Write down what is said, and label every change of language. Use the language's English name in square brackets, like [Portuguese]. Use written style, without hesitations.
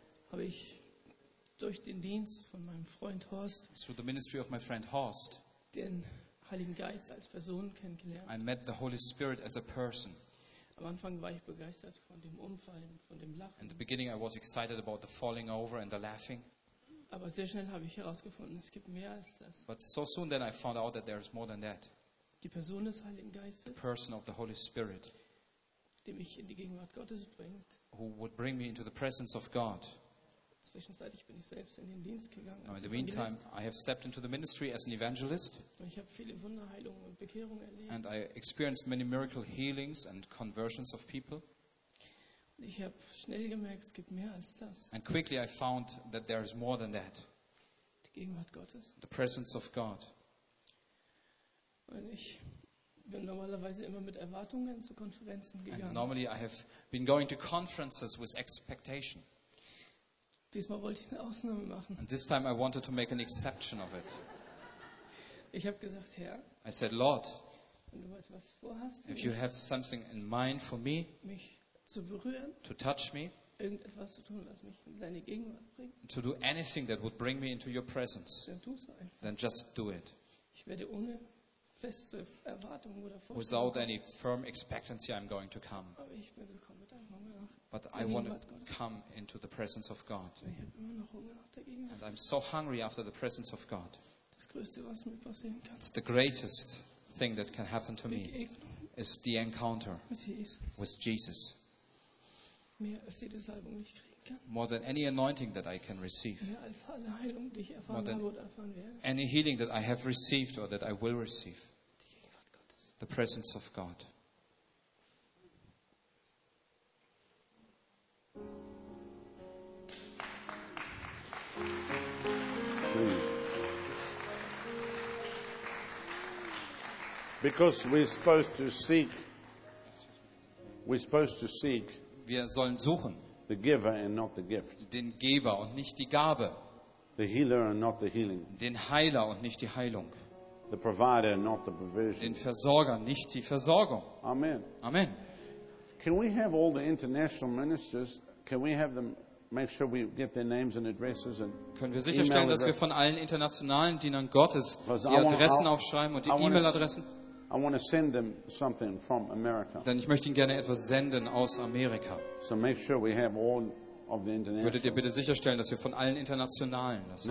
[German] habe ich durch den Dienst von meinem Freund Horst, [English] through the ministry of my friend Horst, [German] den Heiligen Geist als Person kennengelernt. [English] I met the Holy Spirit as a person. [German] Am Anfang war ich begeistert von dem Umfallen, von dem Lachen. [English] In the beginning I was excited about the falling over and the laughing. [German] Aber sehr schnell habe ich herausgefunden, es gibt mehr als das. [English] But so soon then I found out that there is more than that. [German] Die Person des Heiligen Geistes, [English] the person of the Holy Spirit, [German] die mich in die Gegenwart Gottes bringt, [English] who would bring me into the presence of God. [German] Zwischenzeitlich bin ich selbst in den Dienst gegangen. [English] Now, in the meantime, I have stepped into the ministry as an evangelist. [German] Ich habe viele Wunder, Heilungen und Bekehrungen erlebt. [English] And I experienced many miracle healings and conversions of people. [German] Und ich habe schnell gemerkt, es gibt mehr als das. [English] And quickly I found that there is more than that. [German] Die Gegenwart Gottes. [English] The presence of God. [German] Und ich bin normalerweise immer mit Erwartungen zu Konferenzen gegangen. [English] And normally I have been going to conferences with expectation. [German] Diesmal wollte ich eine Ausnahme machen. [English] And this time I wanted to make an exception of it. [German] Ich habe gesagt, Herr. [English] I said, Lord. [German] Wenn du etwas vorhast, [English] if you have something in mind for me, [German] mich zu berühren, [English] to touch me, [German] irgendetwas zu tun, was mich in deine Gegenwart bringt, [English] to do anything that would bring me into your presence, [German] dann tu es einfach. [English] Then just do it. [German] Ich werde ohne feste Erwartung oder Vorstellung kommen. [English] Without any firm expectancy, I'm going to come. [German] Aber ich bin gekommen mit einem Hunger nach. [English] But I want to come into the presence of God. [German] Ich habe immer noch Hunger nach der Gegenwart. [English] And I'm so hungry after the presence of God. [German] Das Größte, was mir passieren kann. [English] It's the greatest thing that can happen to me is the encounter with Jesus. [German] Mehr als jede Salbung, die ich kriegen kann. [English] More than any anointing that I can receive. [German] Mehr als alle Heilung, die ich erfahren habe oder erfahren werde. [English] Any healing that I have received or that I will receive. [German] Die Gegenwart Gottes. [English] The presence of God. Because we're supposed to seek [German] wir sollen suchen, [English] the giver and not the gift, [German] den Geber und nicht die Gabe, [English] the healer and not the healing, [German] den Heiler und nicht die Heilung, [English] the provider and not the provision, [German] den Versorger nicht die Versorgung. [English] Amen. [German] Amen. [English] Can we have all the international ministers, can we have them make sure we get their names and addresses and [German] können wir sicherstellen, dass wir von allen internationalen Dienern Gottes die Adressen aufschreiben und die E-Mail-Adressen? [English] I want to send them something from America. [German] Denn ich möchte ihnen gerne etwas senden aus Amerika. [English] So make sure we have all of the international. [German] Würdet ihr bitte sicherstellen, dass wir von allen internationalen das haben?